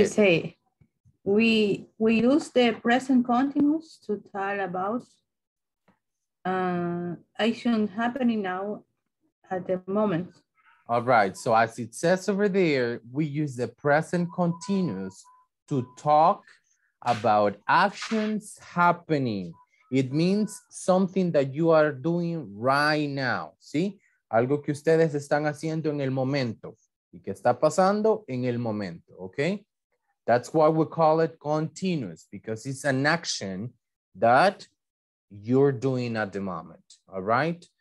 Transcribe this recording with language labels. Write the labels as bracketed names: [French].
[English] You say, we use the present continuous to tell about action happening now at the moment. All right, so as it says over there, we use the present continuous to talk about actions happening. It means something that you are doing right now, ¿sí? [Spanish] Algo que ustedes están haciendo en el momento y que está pasando en el momento, okay? [English] That's why we call it continuous, because it's an action that you're doing at the moment, all right?